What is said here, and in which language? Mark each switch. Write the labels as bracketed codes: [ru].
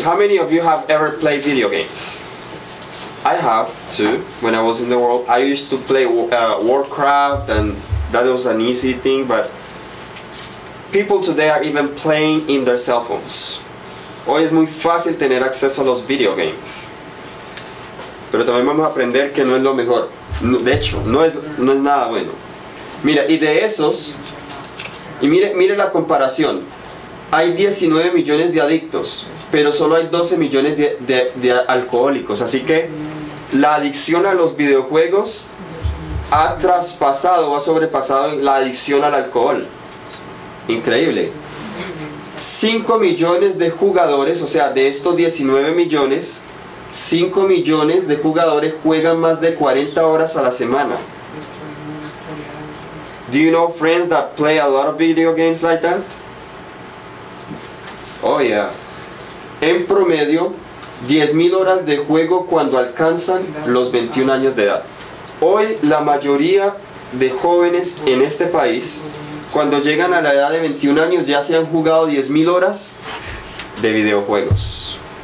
[en] How many of you have ever played video games? I have too. When I was in the world, I used to play Warcraft, and that was an easy thing, but people today are even playing in their cell phones. [es] Hoy es muy fácil tener acceso a los video games. Pero también vamos a aprender que no es lo mejor. De hecho, no es nada bueno. Mira, y de esos, y mire la comparación. Hay 19 millones de adictos, pero solo hay 12 millones de alcohólicos. Así que la adicción a los videojuegos ha traspasado, ha sobrepasado la adicción al alcohol. Increíble. 5 millones de jugadores, o sea, de estos 19 millones, 5 millones de jugadores juegan más de 40 horas a la semana. [en] Do you know friends that play a lot of video games like that? Oh yeah. [es] En promedio, 10.000 horas de juego cuando alcanzan los 21 años de edad. Hoy la mayoría de jóvenes en este país, cuando llegan a la edad de 21 años, ya se han jugado 10.000 horas de videojuegos.